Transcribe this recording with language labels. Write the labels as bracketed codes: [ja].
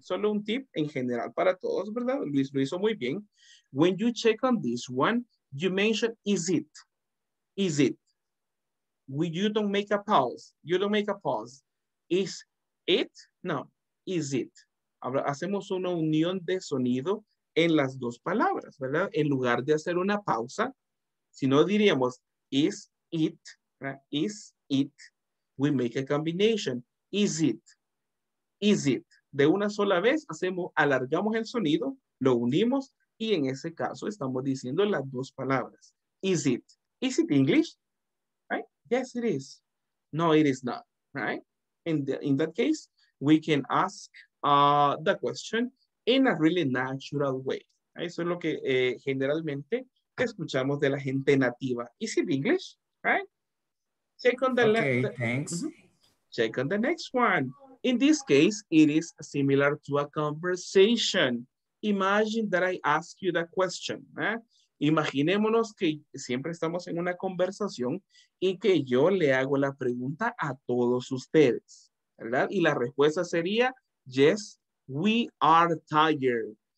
[es] Solo un tip en general para todos, ¿verdad? Luis lo hizo muy bien. [en] When you check on this one, you mention, is it? Is it? You don't make a pause. You don't make a pause. Is it? No, is it? [es] Ahora hacemos una unión de sonido en las dos palabras, ¿verdad? En lugar de hacer una pausa, si no diríamos, is it? [en] Right? Is it? We make a combination. Is it? Is it? [es] De una sola vez hacemos, alargamos el sonido, lo unimos, y en ese caso estamos diciendo las dos palabras. [en] Is it? Is it English? Right? Yes, it is. No, it is not. Right? In that case, we can ask the question in a really natural way. Right? [es] Eso es lo que generalmente escuchamos de la gente nativa. [en] Is it English? Right? Check on the left. Okay, thanks. Mm-hmm. Check on the next one. In this case, it is similar to a conversation. Imagine that I ask you the question. [es] Imaginémonos que siempre estamos en una conversación y que yo le hago la pregunta a todos ustedes, ¿verdad? Y la respuesta sería, yes, we are tired.